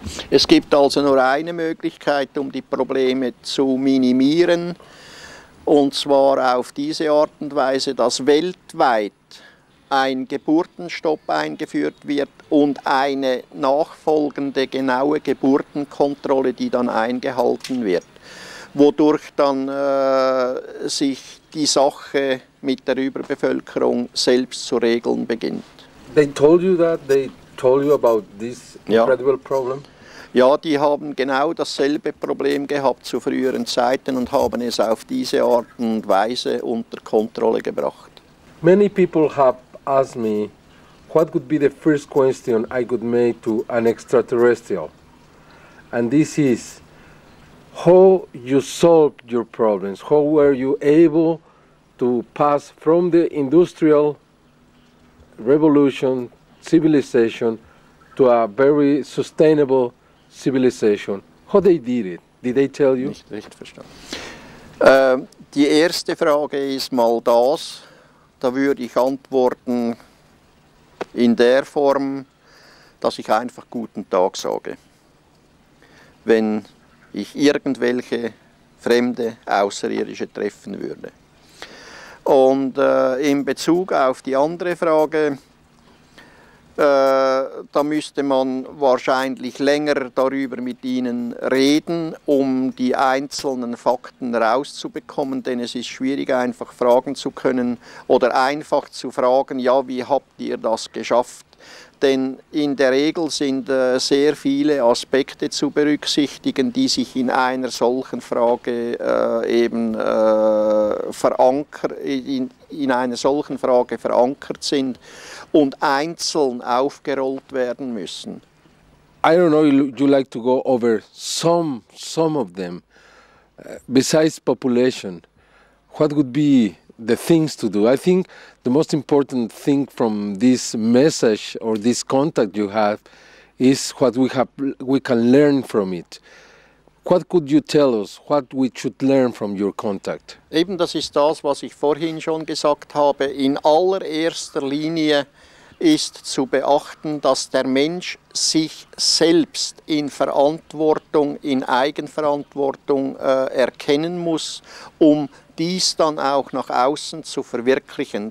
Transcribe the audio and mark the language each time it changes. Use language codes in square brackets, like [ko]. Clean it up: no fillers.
[de] Es gibt also nur eine Möglichkeit, um die Probleme zu minimieren, und zwar auf diese Art und Weise, dass weltweit ein Geburtenstopp eingeführt wird und eine nachfolgende genaue Geburtenkontrolle, die dann eingehalten wird, wodurch dann sich die Sache mit der Überbevölkerung selbst zu regeln beginnt. [en] They told you that? They told you about this incredible problem? [de] Ja, die haben genau dasselbe Problem gehabt zu früheren Zeiten und haben es auf diese Art und Weise unter Kontrolle gebracht. [en] Many people have ask me, what would be the first question I could make to an extraterrestrial? And this is, how you solved your problems? How were you able to pass from the industrial revolution, civilization, to a very sustainable civilization? How they did it? Did they tell you? [de] Nicht verstanden. Die erste Frage ist mal das. Da würde ich antworten in der Form, dass ich einfach guten Tag sage, wenn ich irgendwelche fremde Außerirdische treffen würde. Und in Bezug auf die andere Frage, da müsste man wahrscheinlich länger darüber mit ihnen reden, um die einzelnen Fakten rauszubekommen, denn es ist schwierig, einfach fragen zu können oder einfach zu fragen, ja, wie habt ihr das geschafft? Denn in der Regel sind sehr viele Aspekte zu berücksichtigen, die sich in einer solchen Frage in einer solchen Frage verankert sind und einzeln aufgerollt werden müssen. [en] I don't know if you like to go over some of them. Besides population, what would be the things to do? I think the most important thing from this message or this contact you have is what we can learn from it. What could you tell us, what we should learn from your contact? [de] Eben das ist das, was ich vorhin schon gesagt habe. In allererster Linie ist zu beachten, dass der Mensch sich selbst in Verantwortung, in Eigenverantwortung erkennen muss, um dies dann auch nach außen zu verwirklichen.